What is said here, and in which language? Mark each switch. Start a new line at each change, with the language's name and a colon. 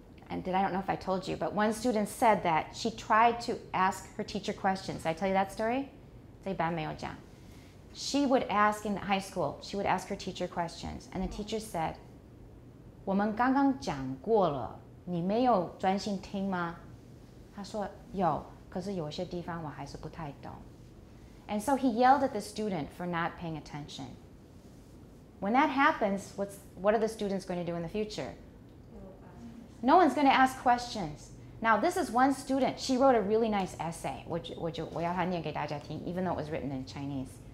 English: I don't know if I told you, but one student said that she tried to ask her teacher questions. Did I tell you that story?
Chinese: 这一般没有讲.
English: She would ask in high school, she would ask her teacher questions, and the teacher said,
Chinese: 我们刚刚讲过了,你没有专心听吗? 她说,有,可是有些地方我还是不太懂.
English: And so he yelled at the student for not paying attention. When that happens, what are the students going to do in the future? No one's going to ask questions. Now, this is one student. She wrote a really nice essay, which
Chinese: 我要她念给大家听,
English: even though it was written in Chinese.